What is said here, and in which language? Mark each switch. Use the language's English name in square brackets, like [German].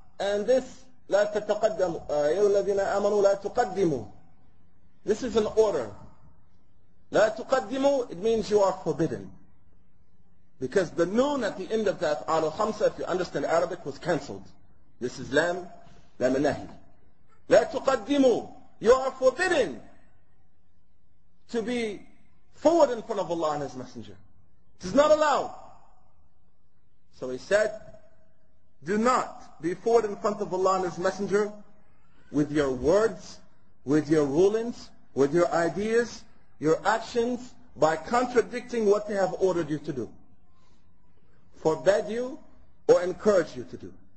[English] And this, [Arabic] لا تتقدم أيها الذين آمنوا لا تقدموا. [English] This is an order. [Arabic] لا تقدموا, [English] it means you are forbidden. Because the noon at the end of that, [Arabic] على الخمسة, [English] if you understand Arabic, was cancelled. [Arabic] This is لام, لام النهي. لا تقدموا, [English] you are forbidden to be forward in front of Allah and His Messenger. It is not allowed. So he said, do not be forward in front of Allah and His Messenger with your words, with your rulings, with your ideas, your actions, by contradicting what they have ordered you to do, forbid you or encourage you to do.